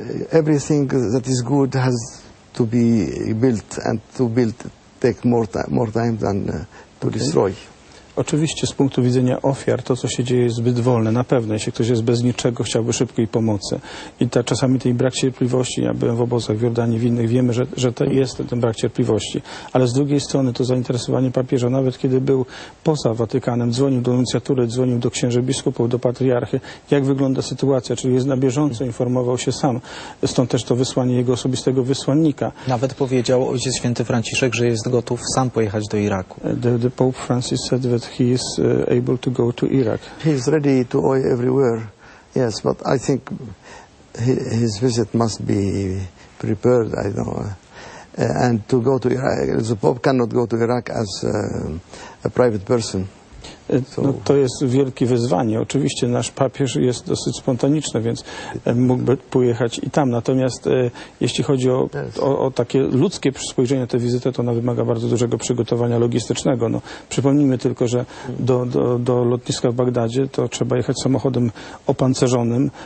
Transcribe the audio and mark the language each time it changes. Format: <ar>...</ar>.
<en>Everything that is good has to be built, and to build take more time than to destroy.</en> <pl>Oczywiście z punktu widzenia ofiar to, co się dzieje, jest zbyt wolne. Na pewno, jeśli ktoś jest bez niczego, chciałby szybkiej pomocy. I ta, czasami ten brak cierpliwości, ja byłem w obozach w Jordanii, w innych, wiemy, że to jest ten brak cierpliwości. Ale z drugiej strony to zainteresowanie papieża, nawet kiedy był poza Watykanem, dzwonił do nuncjatury, dzwonił do księży biskupów, do patriarchy, jak wygląda sytuacja, czyli jest na bieżąco, informował się sam. Stąd też to wysłanie jego osobistego wysłannika. Nawet powiedział ojciec święty Franciszek, że jest gotów sam pojechać do Iraku.</pl> <en>The Pope Francis said that he is able to go to Iraq. He is ready to go everywhere, yes, but I think his visit must be prepared, I know. And to go to Iraq, the Pope cannot go to Iraq as a private person.</en> <pl>No, to jest wielkie wyzwanie. Oczywiście nasz papież jest dosyć spontaniczny, więc mógłby pojechać i tam. Natomiast jeśli chodzi o takie ludzkie spojrzenie na tę wizytę, to ona wymaga bardzo dużego przygotowania logistycznego. No, przypomnijmy tylko, że do lotniska w Bagdadzie to trzeba jechać samochodem opancerzonym.</pl>